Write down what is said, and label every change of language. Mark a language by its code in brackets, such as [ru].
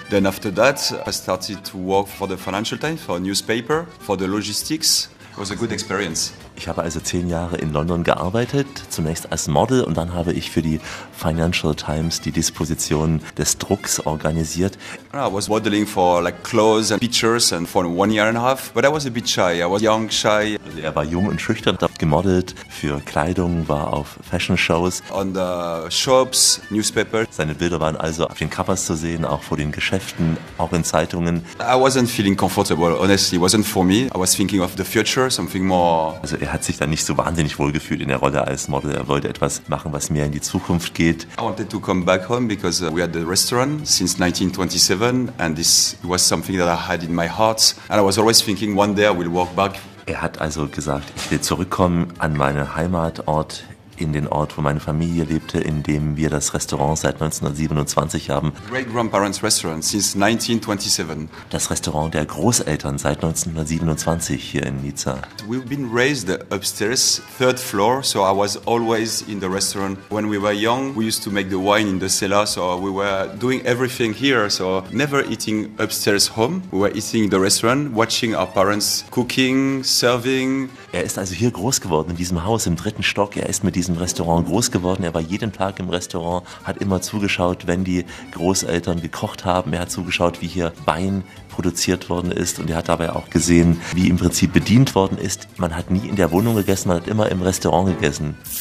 [en] Then after that I started to work for the Financial Times, for a newspaper, for the logistics. It was a good experience. [de] Ich habe also 10 Jahre in London gearbeitet, zunächst als Model und dann habe ich für die Financial Times die Disposition des Drucks organisiert. [en] I was modeling for like clothes and pictures and for 1.5 years, but I was a bit shy. I was young, shy. [de] Also er war jung und schüchtern, hat gemodelt für Kleidung, war auf Fashion Shows. [en] On the shops, newspapers. [de] Seine Bilder waren also auf den Covers zu sehen, auch vor den Geschäften, auch in Zeitungen. [en] I wasn't feeling comfortable, honestly, it wasn't for me. I was thinking of the future, something more. [de] Also er hat sich dann nicht so wahnsinnig wohl gefühlt in der Rolle als Model. Er wollte etwas machen, was mehr in die Zukunft geht. [en] I wanted to come back home because we had the restaurant since 1927 and this was something that I had in my heart. And I was always thinking, one day I will walk back. [de] Er hat also gesagt, ich will zurückkommen an meinen Heimatort, in den Ort, wo meine Familie lebte, in dem wir das Restaurant seit 1927 haben. [en] Great grandparents restaurant since 1927. [de] Das Restaurant der Großeltern seit 1927 hier in Nizza. [en] We've been raised upstairs, third floor, so I was always in the restaurant. When we were young, we used to make the wine in the cellar, so we were doing everything here, so never eating upstairs home. We were eating in the restaurant, watching our parents cooking, serving. [de] Er ist also hier groß geworden, in diesem Haus im dritten Stock. Er ist mit diesem Restaurant groß geworden. Er war jeden Tag im Restaurant, hat immer zugeschaut, wenn die Großeltern gekocht haben. Er hat zugeschaut, wie hier Wein produziert worden ist und er hat dabei auch gesehen, wie im Prinzip bedient worden ist. Man hat nie in der Wohnung gegessen, man hat immer im Restaurant gegessen.